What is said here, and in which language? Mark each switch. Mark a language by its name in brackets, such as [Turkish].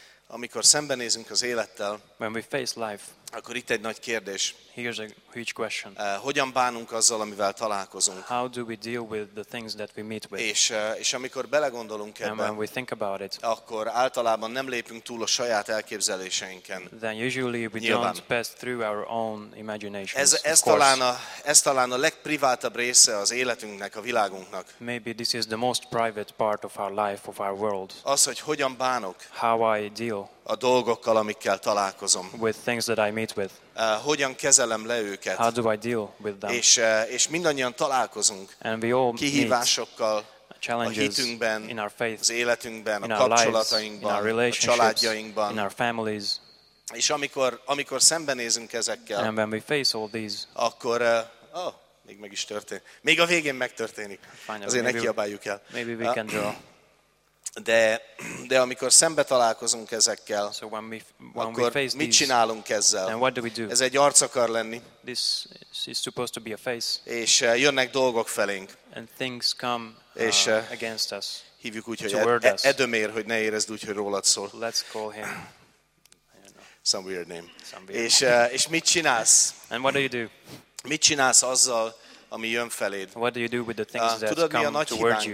[Hungarian] Amikor szembenézünk az élettel, [English] when we face life, [Hungarian] akkor itt egy nagy kérdés. [English] Here's a huge question. [Hungarian] Hogyan bánunk azzal, amivel találkozunk? [English] How do we deal with the things that we meet with? [Hungarian] És amikor belegondolunk ebben, [English] when we think about it, [Hungarian] akkor általában nem lépünk túl a saját elképzeléseinken. [English] Then usually we [Hungarian] nyilván. [English] Don't pass through our own imaginations. [Hungarian] Ez talán a legprivátabb része az életünknek, a világunknak. [English] Maybe this is the most private part of our life, of our world. [Hungarian] Az, hogy hogyan bánok. [English] How I deal. [Hungarian] A dolgokkal, amikkel találkozom. [English] With things that I meet with. [Hungarian] Hogyan kezelem le őket. [English] How do I deal with them? [Hungarian] És mindannyian találkozunk [English] and we all [Hungarian] kihívásokkal, [English] challenges in our faith, [Hungarian] az életünkben, [English] in our lives, in our relationships, in our families. [Hungarian] És amikor szembenézünk ezekkel, [English] and when we face all these, [Hungarian] akkor még meg is történik. Még a végén megtörténik. Azért ne kiabáljuk el. [English] Maybe we can draw. [Hungarian] De amikor szembe találkozunk ezekkel, [English] so when [Hungarian] akkor [English] we face [Hungarian] mit csinálunk ezzel? [English] What do we do? [Hungarian] Ez egy arc akar lenni. [English] This is supposed to be a face. [Hungarian] És jönnek dolgok felénk. [English] And things come against us. [Hungarian] Hívjuk úgy, hogy Edömér, hogy ne érezd úgy, hogy rólad szól. [English] Let's call him. Some weird name. [Hungarian] És mit csinálsz? [English] And what do you do? [Hungarian] Mit csinálsz azzal, ami jön feléd? [English] What do you do with the things that come towards you?